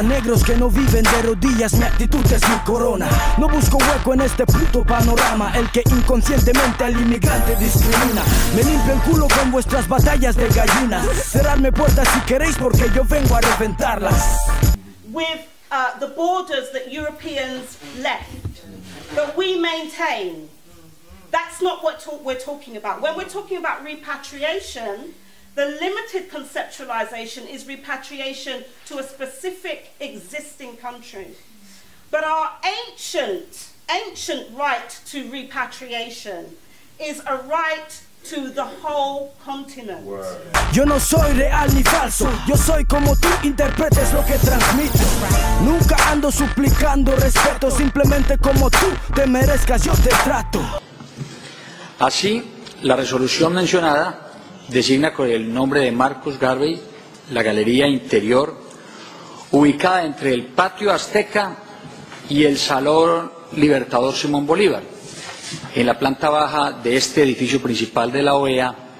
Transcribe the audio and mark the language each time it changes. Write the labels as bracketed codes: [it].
[es] Negros que no viven de rodillas, mi actitud es mi corona. No busco hueco en este puto panorama, el que inconscientemente al inmigrante discrimina. Me limpio el culo con vuestras batallas de gallinas. Cerradme puertas si queréis porque yo vengo a reventarlas. [en] With the borders that Europeans left, that we maintain, that's not what we're talking about. When we're talking about repatriation, the limited conceptualization is repatriation to a specific existing country. But our ancient right to repatriation is a right to the whole continent. [es] Yo no soy real ni falso, yo soy como tú interpretes lo que transmito. Nunca ando suplicando respeto, simplemente como tú te merezcas, yo te trato. Así, la resolución mencionada designa con el nombre de Marcus Garvey la galería interior ubicada entre el patio azteca y el salón Libertador Simón Bolívar, en la planta baja de este edificio principal de la OEA,